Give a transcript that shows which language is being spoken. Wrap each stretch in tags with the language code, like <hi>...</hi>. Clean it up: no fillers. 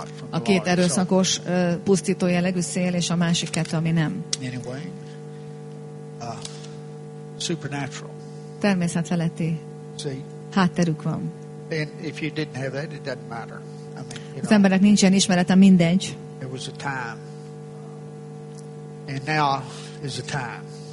<hu>a két erőszakos pusztító jellegű szél és a másik kettő, ami nem.</hu> <en>Anyway, supernatural.</en> <hu>Természetfeletti hátterük van.</hu> <en>And if you didn't have that, it doesn't matter.</en> <hu>Az embernek nincsen ismerete, mindegy.</hu> <en>There was a time, and now is a time.</en>